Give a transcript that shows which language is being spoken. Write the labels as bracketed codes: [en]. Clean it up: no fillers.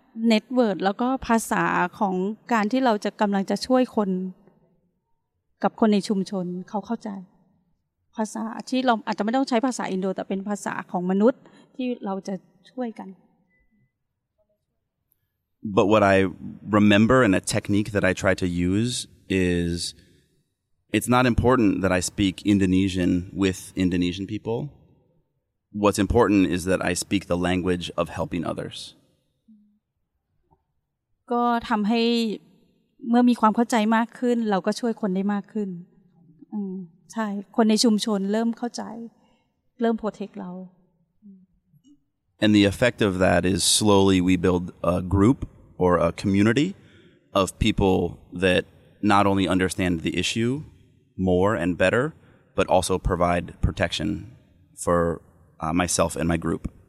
[th] เน็ตเวิร์ดแล้วก็ภาษาของการที่เราจะกำลังจะช่วยคนกับคนในชุมชนเขาเข้าใจภาษาที่เราอาจจะไม่ต้องใช้ภาษาอินโดแต่เป็นภาษาของมนุษย์ที่เราจะช่วยกัน [en] But what I remember and a technique that I try to use is it's not important that I speak Indonesian with Indonesian people. What's important is that I speak the language of helping others. [th] ก็ทำให้เมื่อมีความเข้าใจมากขึ้นเราก็ช่วยคนได้มากขึ้นใช่คนในชุมชนเริ่มเข้าใจเริ่มโปรเทคเรา [en] And the effect of that is slowly we build a group or a community of people that not only understand the issue more and better but also provide protection for myself and my group